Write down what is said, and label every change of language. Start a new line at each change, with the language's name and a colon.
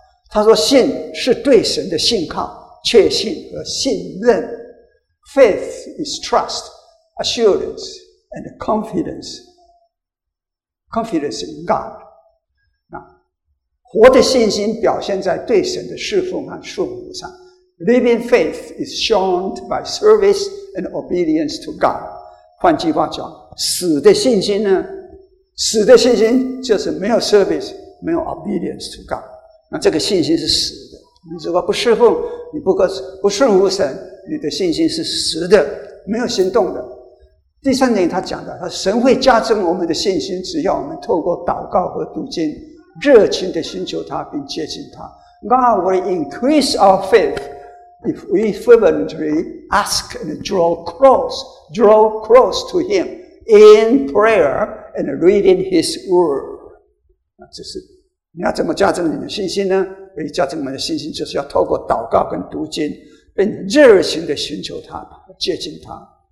Chinese: 他说：“信是对神的信靠、确信和信任。
English: Faith is trust, assurance, and confidence. Confidence in God。
Chinese: 活的信心表现在对神的侍奉和顺服上。”
English: Living faith is shown by service and obedience to God.
Chinese: 换句话讲，死的信心呢？死的信心就是没有 service， 没有
English: obedience to God。
Chinese: 那这个信心是死的。你如果不侍奉，你不顺服神，你的信心是死的，没有行动的。第三点，他讲的，他神会加增我们的信心，只要我们透过祷告和读经，热情地寻求他并接近他。
English: God will increase our faith. If we fervently ask and draw close to Him in prayer and reading His Word.
Chinese: 这是你要怎么加增你的信心呢？可以加增我们的信心，就是要透过祷告跟读经，并热情地寻求他，接近他。